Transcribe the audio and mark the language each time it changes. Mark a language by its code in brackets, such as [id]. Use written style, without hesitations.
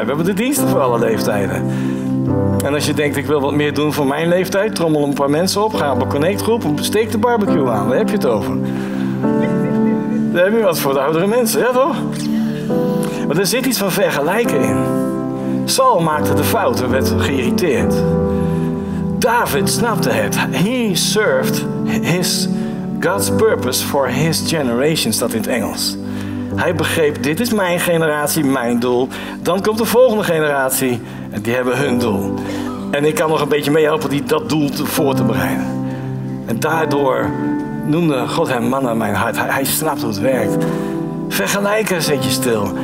[nl] We hebben de diensten voor alle leeftijden. En als je denkt, ik wil wat meer doen voor mijn leeftijd, trommel een paar mensen op, ga op een connectgroep, steek de barbecue aan. Daar heb je het over. Daar heb je wat voor de oudere mensen, ja toch? Maar er zit iets van vergelijken in. Saul maakte de fout en werd geïrriteerd. David snapte het. [en] He served his God's purpose for his generation, [nl] staat in het Engels. Hij begreep, dit is mijn generatie, mijn doel. Dan komt de volgende generatie en die hebben hun doel. En ik kan nog een beetje meehelpen die dat doel voor te bereiden. En daardoor noemde God hem man naar mijn hart. Hij snapt hoe het werkt. Vergelijken zet je stil.